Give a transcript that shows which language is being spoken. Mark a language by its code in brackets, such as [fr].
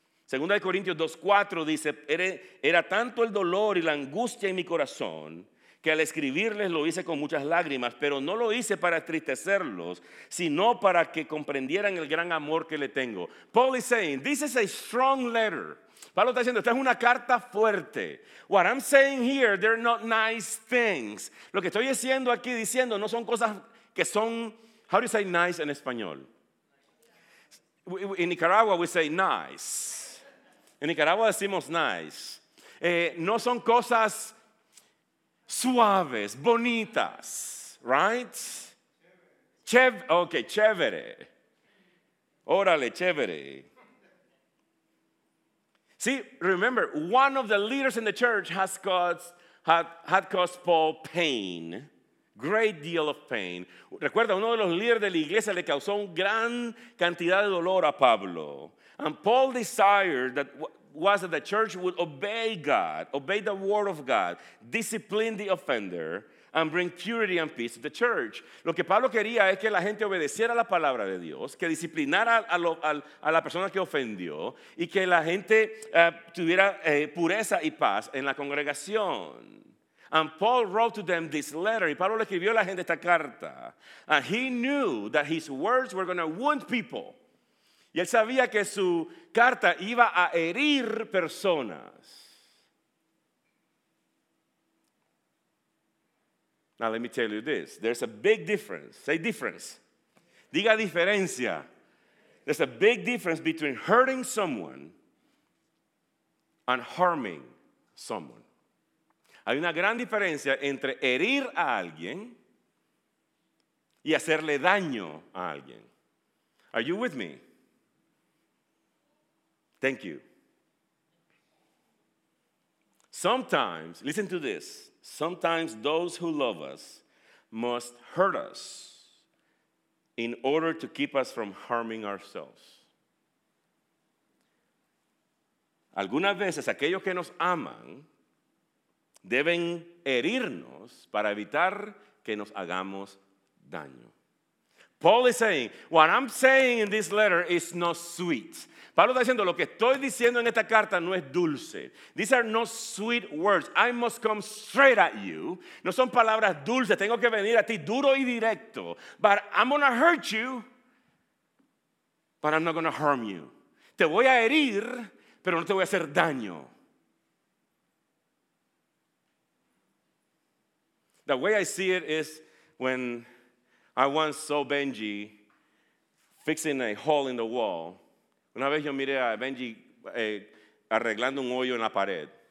[es] 2 Corintios 2, 4 dice, era tanto el dolor y la angustia en mi corazón que al escribirles lo hice con muchas lágrimas, pero no lo hice para entristecerlos, sino para que comprendieran el gran amor que le tengo. [en] Paul is saying, this is a strong letter. [es] Pablo está diciendo, esta es una carta fuerte. [en] What I'm saying here, they're not nice things. [es] Lo que estoy diciendo aquí, diciendo, no son cosas que son, [en] how do you say nice [es] en español? [en] In Nicaragua we say nice. [es] En Nicaragua decimos nice. No son cosas suaves, bonitas, right? Chévere. Órale, chévere. [en] See, remember, one of the leaders in the church had caused Paul pain, great deal of pain. [es] Recuerda, uno de los líderes de la iglesia le causó una gran cantidad de dolor a Pablo. [en] And Paul desired that the church would obey God, obey the word of God, discipline the offender, and bring purity and peace to the church. [es] Lo que Pablo quería es que la gente obedeciera la palabra de Dios, que disciplinara a la persona que ofendió, y que la gente tuviera pureza y paz en la congregación. [en] And Paul wrote to them this letter, [es] y Pablo le escribió a la gente esta carta. [en] And he knew that his words were going to wound people. [es] Y él sabía que su carta iba a herir personas. [en] Now let me tell you this. There's a big difference. Say difference. [es] Diga diferencia. [en] there's a big difference between hurting someone and harming someone. [es] Hay una gran diferencia entre herir a alguien y hacerle daño a alguien. [en] Are you with me? Thank you. Sometimes, listen to this, sometimes those who love us must hurt us in order to keep us from harming ourselves. [es] Algunas veces aquellos que nos aman deben herirnos para evitar que nos hagamos daño. [en] Paul is saying, what I'm saying in this letter is not sweet. [es] Pablo está diciendo, lo que estoy diciendo en esta carta no es dulce. [en] These are not sweet words. I must come straight at you. [es] No son palabras dulces. Tengo que venir a ti duro y directo. [en] But I'm going to hurt you, but I'm not going to harm you. [es] Te voy a herir, pero no te voy a hacer daño. [en] The way I see it is when I once saw Benji fixing a hole in the wall. [es] Una vez yo miré a Benji arreglando un hoyo en la pared.